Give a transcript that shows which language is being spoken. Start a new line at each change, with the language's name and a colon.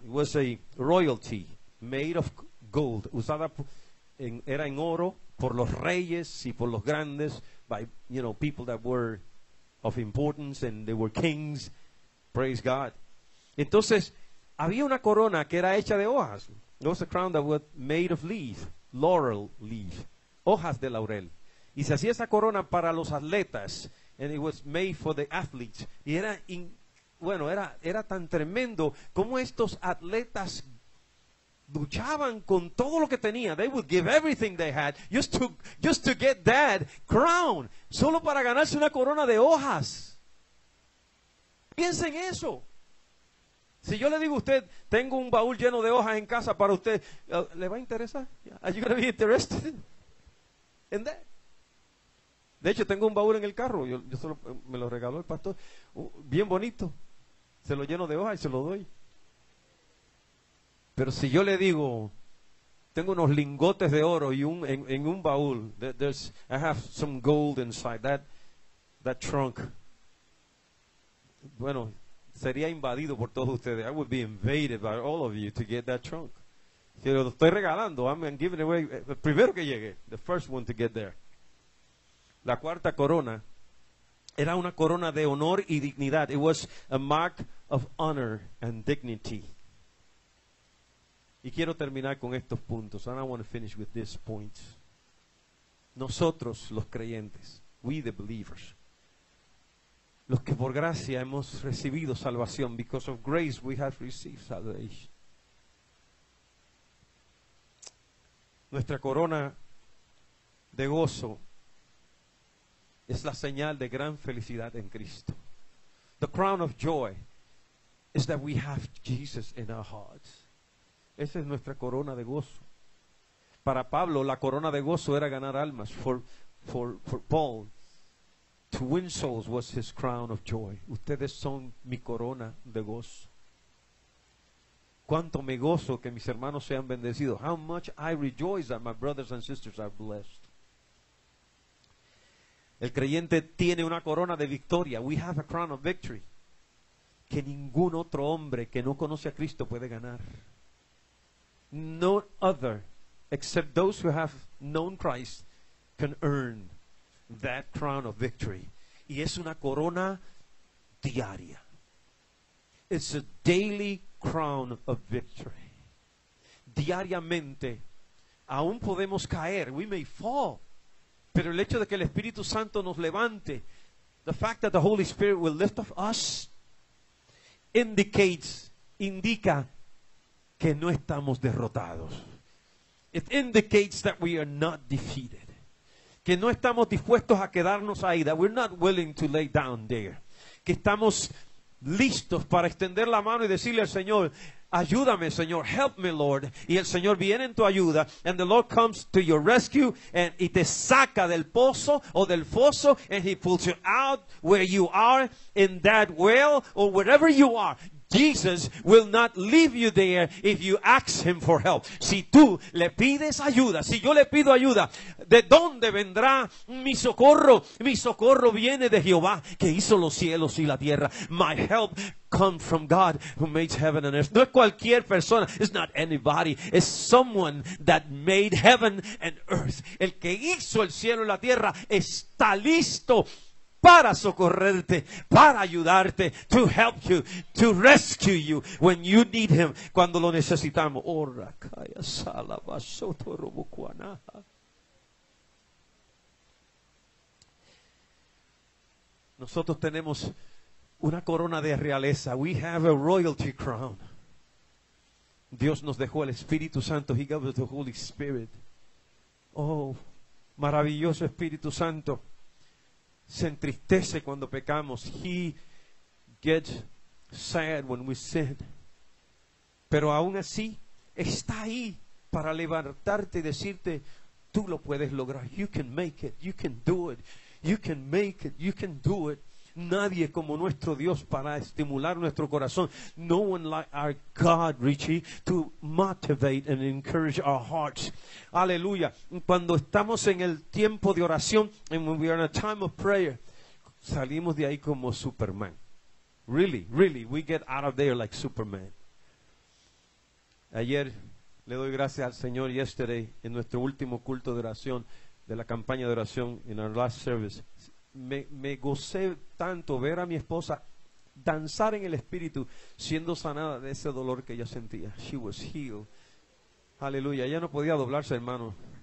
English: It was a royalty made of gold,
Spanish: usada en, era en oro por los reyes y por los grandes,
English: by, you know, people that were of importance and they were kings. Praise God.
Spanish: Entonces, había una corona que era hecha de hojas.
English: It was a crown that was made of leaves, laurel leaf,
Spanish: hojas de laurel. Y se hacía esa corona para los atletas,
English: and it was made for the athletes.
Spanish: Y era bueno, era tan tremendo como estos atletas luchaban con todo lo que tenían.
English: They would give everything they had just to get that crown,
Spanish: solo para ganarse una corona de hojas. Piensen eso. Si yo le digo a usted, tengo un baúl lleno de hojas en casa para usted, ¿le va a interesar?
English: Are you going to be interested in that?
Spanish: De hecho, tengo un baúl en el carro. Yo solo me lo regaló el pastor. Bien bonito. Se lo lleno de hojas y se lo doy. Pero si yo le digo, tengo unos lingotes de oro y en un baúl,
English: there's, I have some gold inside that trunk.
Spanish: Bueno, sería invadido por todos ustedes.
English: I would be invaded by all of you to get that trunk.
Spanish: Si lo estoy regalando,
English: I'm giving away,
Spanish: el primero que llegue,
English: the first one to get there.
Spanish: La cuarta corona era una corona de honor y dignidad.
English: It was a mark of honor and dignity.
Spanish: Y quiero terminar con estos puntos.
English: And I want to finish with these points.
Spanish: Nosotros, los creyentes,
English: we the believers,
Spanish: los que por gracia hemos recibido salvación,
English: because of grace we have received salvation.
Spanish: Nuestra corona de gozo es la señal de gran felicidad en Cristo.
English: The crown of joy is that we have Jesus in our hearts.
Spanish: Esa es nuestra corona de gozo. Para Pablo, la corona de gozo era ganar almas.
English: For Paul, to win souls was his crown of joy.
Spanish: Ustedes son mi corona de gozo. Cuánto me gozo que mis hermanos sean bendecidos.
English: How much I rejoice that my brothers and sisters are blessed.
Spanish: El creyente tiene una corona de victoria.
English: We have a crown of victory.
Spanish: Que ningún otro hombre que no conoce a Cristo puede ganar.
English: No other, except those who have known Christ, can earn that crown of victory.
Spanish: Y es una corona diaria.
English: It's a daily crown of victory.
Spanish: Diariamente, aún podemos caer.
English: We may fall.
Spanish: Pero el hecho de que el Espíritu Santo nos levante,
English: the fact that the Holy Spirit will lift up us,
Spanish: indica que no estamos derrotados.
English: It indicates that we are not defeated.
Spanish: Que no estamos dispuestos a quedarnos ahí.
English: That we're not willing to lay down there.
Spanish: Que estamos listos para extender la mano y decirle al Señor, ayúdame, Señor,
English: help me, Lord.
Spanish: Y el Señor viene en tu ayuda.
English: And the Lord comes to your rescue.
Spanish: Y te saca del pozo o del foso.
English: And he pulls you out where you are, in that well or wherever you are. Jesus will not leave you there if you ask him for help.
Spanish: Si tú le pides ayuda, si yo le pido ayuda, ¿de dónde vendrá mi socorro? Mi socorro viene de Jehová, que hizo los cielos y la tierra.
English: My help comes from God who made heaven and earth.
Spanish: No es cualquier persona.
English: It's not anybody. It's someone that made heaven and earth.
Spanish: El que hizo el cielo y la tierra está listo para socorrerte, para ayudarte,
English: to help you, to rescue you when you need him,
Spanish: cuando lo necesitamos. Ora kaya sala basoto robukwana. Nosotros tenemos una corona de realeza.
English: We have a royalty crown.
Spanish: Dios nos dejó el Espíritu Santo.
English: He gave us the Holy Spirit.
Spanish: Oh, maravilloso Espíritu Santo. Se entristece cuando pecamos.
English: He gets sad when we sin.
Spanish: Pero aún así, está ahí para levantarte y decirte, tú lo puedes lograr.
English: You can make it. You can do it. You can make it. You can do it.
Spanish: Nadie como nuestro Dios para estimular nuestro corazón.
English: No one like our God, Richie, to motivate and encourage our hearts. Aleluya.
Spanish: Cuando estamos en el tiempo de oración,
English: and when we are in a time of prayer,
Spanish: salimos de ahí como Superman.
English: Really, really, we get out of there like Superman.
Spanish: Ayer le doy gracias al Señor.
English: Yesterday,
Spanish: en nuestro último culto de oración, de la campaña de oración,
English: in our last service,
Spanish: me gocé tanto ver a mi esposa danzar en el Espíritu, siendo sanada de ese dolor que ella sentía.
English: She was healed.
Spanish: Aleluya. Ella no podía doblarse, hermano.